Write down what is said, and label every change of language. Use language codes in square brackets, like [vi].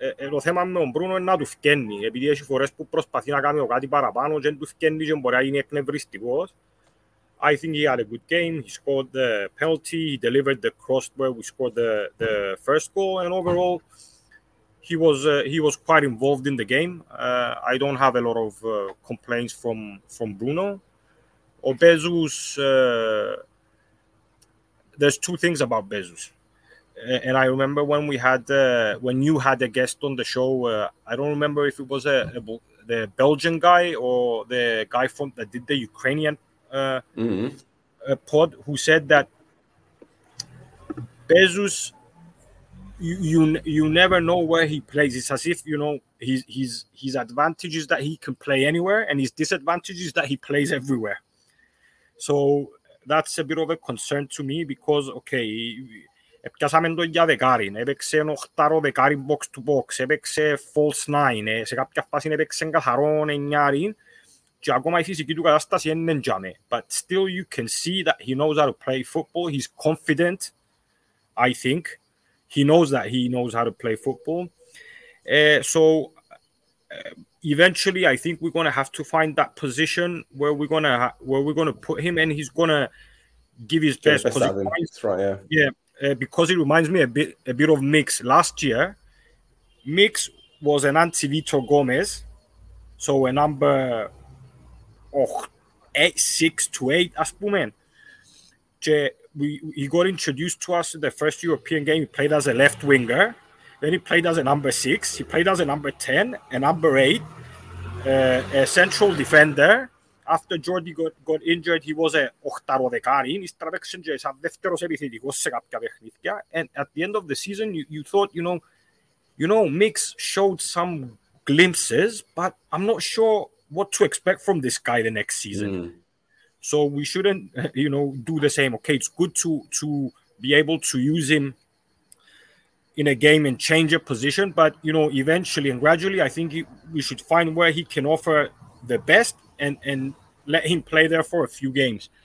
[el] Το θέμα με τον Μπρούνο είναι να του φκένει, επειδή έχει φορές που προσπαθεί να κάνει κάτι παραπάνω και του φκένει και μπορεί να γίνει εκνευριστικός. [en] I think he had a good game, he scored the penalty, he delivered the cross where we scored the first goal, and overall he was quite involved in the game. I don't have a lot of complaints from Bruno. Or Bezos, there's two things about Bezos. And I remember when we had when you had a guest on the show, I don't remember if it was the Belgian guy or the guy from that did the Ukrainian mm-hmm. pod, who said that Bezos, you never know where he plays. It's as if, you know, his advantage is that he can play anywhere, and his disadvantage is that he plays everywhere. So that's a bit of a concern to me, because okay, [el] έπιασαμε τον για δεκάριν, έπαιξε ένα οχτάρο δεκάρι box to box, έπαιξε false nine, σε κάποια φάση έπαιξε καθαρό εννιάριν και ακόμα η φυσική του κατάσταση είναι τζάμε. [en] But still you can see that he knows how to play football, he's confident, I think. He knows that he knows how to play football. Eventually, I think we're going to have to find that position where we're going to put him, and he's going to give his best. Because it reminds me a bit of Mix. Last year, Mix was an anti-Vitor Gomez, so a number 6 to 8, as Pumen. He got introduced to us in the first European game. He played as a left winger. Then he played as a number 6. He played as a number 10, a number 8, a central defender. After Jordi got injured, he was a [el] οχτάρο δεκάριν. [en] He's [el] τραβέξεν και σαν δεύτερος επιθετικός σε κάποια παιχνίδια. [en] And at the end of the season, you thought, you know, Mix showed some glimpses, but I'm not sure what to expect from this guy the next season. So we shouldn't, you know, do the same. Okay, it's good to be able to use him in a game and change a position, but you know, eventually and gradually, I think we should find where he can offer the best and let him play there for a few games.